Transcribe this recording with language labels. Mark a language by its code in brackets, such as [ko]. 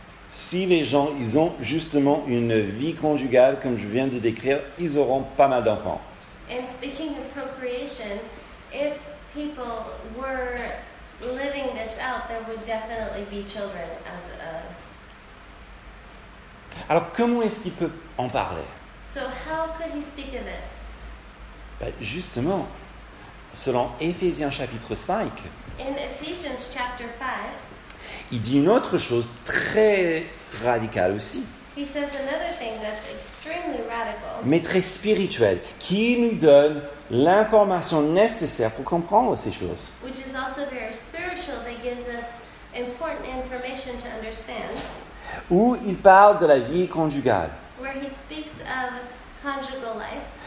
[fr] Si les gens, ils ont justement une vie conjugale, comme je viens de décrire, ils auront pas mal d'enfants. [en] And speaking of procreation, if people were living this out, there would definitely be children as a... [fr] Alors, comment est-ce qu'il peut en parler? [en] So how could he speak of this? [fr] Ben, justement, selon Éphésiens chapitre 5, [en] in Ephesians chapter 5, [fr] il dit une autre chose très radicale aussi. [en] He says another thing that's extremely radical, [fr] mais très spirituelle, qui nous donne l'information nécessaire pour comprendre ces choses. [en] Which is also very spiritual, that gives us important information to understand. [fr] Où il parle de la vie conjugale. [en] Where he speaks of conjugal life.